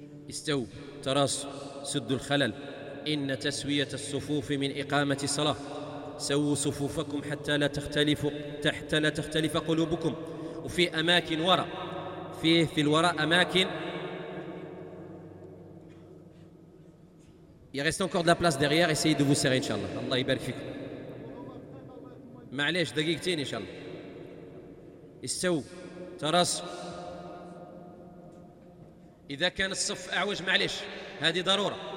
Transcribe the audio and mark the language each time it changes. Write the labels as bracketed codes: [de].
[ar] استو تراس سد الخلل، إن تسوية الصفوف من إقامة الصلاة. سووا صفوفكم حتى لا تختلف قلوبكم. وفي أماكن وراء، في الوراء أماكن. [fr] Il reste encore de la place derrière, essayez de vous serrer inshallah. [ar] الله يبارك فيكم. معليش دقيقتين ان شاء الله. استو تراس. إذا كان الصف أعوج معليش، هذه ضرورة.